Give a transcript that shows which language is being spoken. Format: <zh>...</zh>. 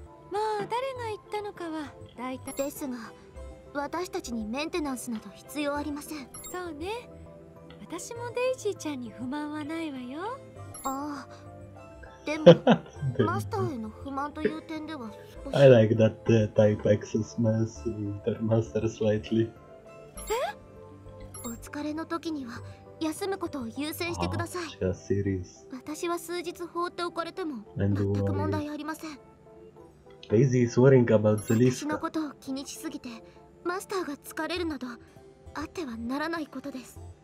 <ja>まあ誰が言ったのかは大体ですが、私たちにメンテナンスなど必要ありません。そうね、私もデイジーちゃんに不満はないわよ。ああでもマスターへの不満という点では少し。</ja> <en>I like that the type X is messing with their master slightly.</en> <ja>お疲れの時には休むことを優先してください。</ja> <en>Oh, she's serious.</en> <ja>私は数日放っておかれても全く問題ありません。</ja> <en>Daisy is worrying about Zeliska.</en> <ja>私のことを気にしすぎてマスターが疲れるなどあってはならないことです。</ja>